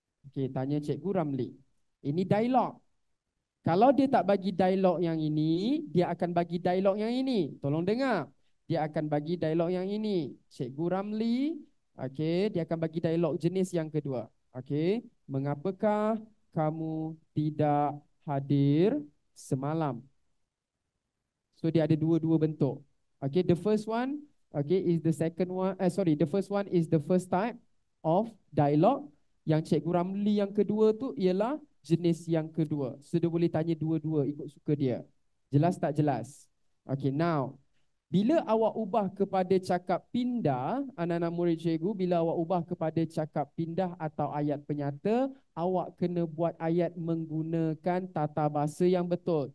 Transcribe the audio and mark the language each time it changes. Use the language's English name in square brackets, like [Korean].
[Malay] Okay, tanya Cikgu Ramli. Ini dialog. Kalau dia tak bagi dialog yang ini, dia akan bagi dialog yang ini. Tolong dengar. Dia akan bagi dialog yang ini. Cikgu Ramli, okay, dia akan bagi dialog jenis yang kedua. Okay, mengapakah kamu tidak hadir semalam? So dia ada dua-dua bentuk. [English] Okay, the first one, okay, is the second one. The first one is the first type of dialog. [Malay] Yang Cikgu Ramli yang kedua tu ialah jenis yang kedua. So dia boleh tanya dua-dua ikut suka dia. Jelas tak jelas? Okay, now bila awak ubah kepada cakap pindah, anak-anak murid cikgu, bila awak ubah kepada cakap pindah atau ayat penyata, awak kena buat ayat menggunakan tata bahasa yang betul.